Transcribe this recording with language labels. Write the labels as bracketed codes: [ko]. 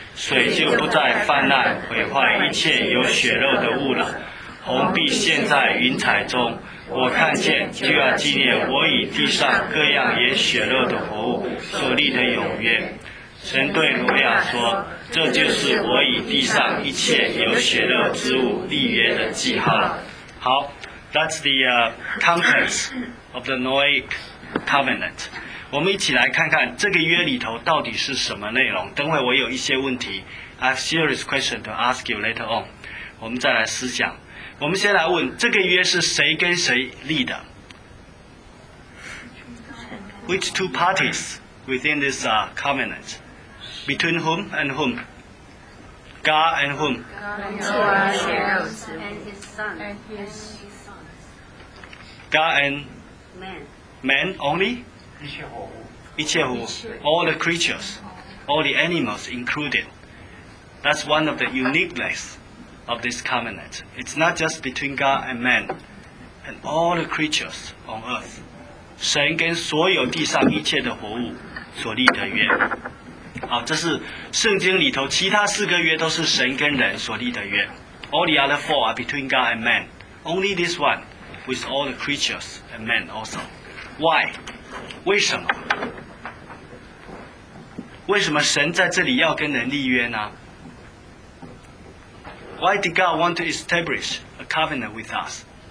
[zh] 水就不再泛滥毁坏一切有血肉的物了，虹必现在云彩中，我看见就要纪念我与地上各样有血肉的活物所立的永约。神对挪亚说，这就是我以地上一切有血肉之物立约的记号。 [en] 好， That's the contents of the Noahic covenant. [zh] 我们一起来看看这个约里头到底是什么内容。等会我有一些问题， [en] I have serious question to ask you later on. [zh] 我们再来思想。我们先来问，这个约是谁跟谁立的？ [en] Which two parties within this covenant? Between whom and whom? God and whom? God and his son. God and man. Man only? [zh] 一切活物 [en] All the creatures, all the animals included. That's one of the uniqueness of this covenant. It's not just between God and man, and all the creatures on earth. [zh] 神跟所有地上一切的活物所立的约。好，这是圣经里头其他四个约都是神跟人所立的约。 [en] All the other four are between God and man. Only this one with all the creatures and men also. Why? [zh] 为什么？为什么神在这里要跟人立约呢？ [en] Why did God want to establish a covenant with us?